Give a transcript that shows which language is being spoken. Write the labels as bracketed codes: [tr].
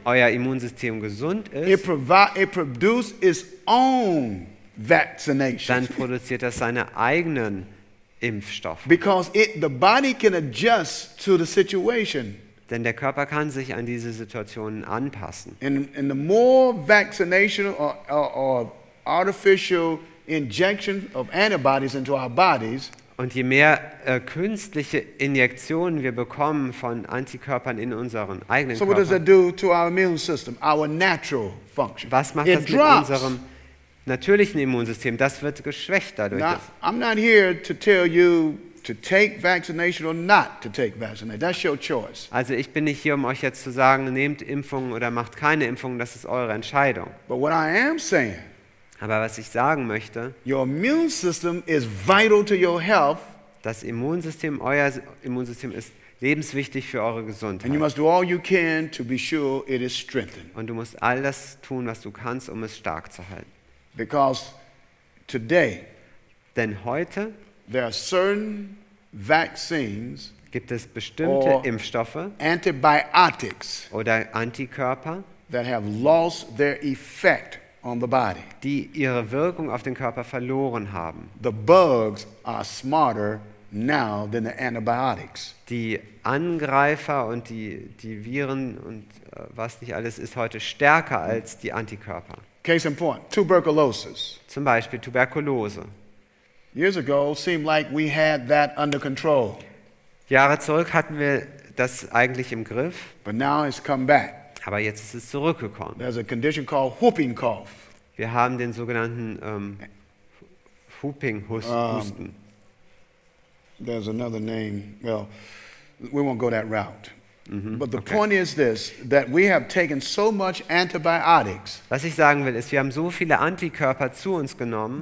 [de] euer Immunsystem gesund ist, [en] it produces its own vaccination. [de] Dann produziert das seine eigenen Impfstoffe. [en] Because the body can adjust to the situation. [de] Denn der Körper kann sich an diese Situationen anpassen. [en] And the more vaccination or artificial injections of antibodies into our bodies, [de] und je mehr künstliche Injektionen wir bekommen von Antikörpern in unseren eigenen Körpern, [en] so what does that do to our immune system, our natural function? [de] Was macht it das drops. Mit unserem natürlichen Immunsystem? Das wird geschwächt dadurch. [en] Now, I'm not here to tell you to take vaccination or not to take vaccination. That's your choice. [de] Also ich bin nicht hier, um euch jetzt zu sagen, nehmt Impfungen oder macht keine Impfungen. Das ist eure Entscheidung. [en] But what I am saying, [de] aber was ich sagen möchte, [en] your immune system is vital to your health, [de] das Immunsystem, euer Immunsystem ist lebenswichtig für eure Gesundheit. [en] And you must do all you can to be sure it is strengthened. [de] Und du musst all das tun, was du kannst, um es stark zu halten. [en] Because today, [de] denn heute, [en] there are certain vaccines, [de] gibt es bestimmte Impfstoffe, [en] antibiotics, [de] oder Antikörper, [en] that have lost their effect on the body. [de] Die ihre Wirkung auf den Körper verloren haben. [en] The bugs are smarter now than the antibiotics. [de] Die Angreifer und die Viren und was nicht alles ist heute stärker als die Antikörper. [en] Case in point, tuberculosis. [de] Zum Beispiel Tuberkulose. [en] Years ago seemed like we had that under control. [de] Jahre zurück hatten wir das eigentlich im Griff. [en] But now it's come back. [de] Aber jetzt ist es zurückgekommen. [en] There's a condition called whooping cough. [de] Wir haben den sogenannten Whooping-Husten. [en] There's another name. Well, we won't go that route. Mm-hmm. But the point is this, that we have taken so much antibiotics. [de] Was ich sagen will, ist, wir haben so viele Antikörper zu uns genommen.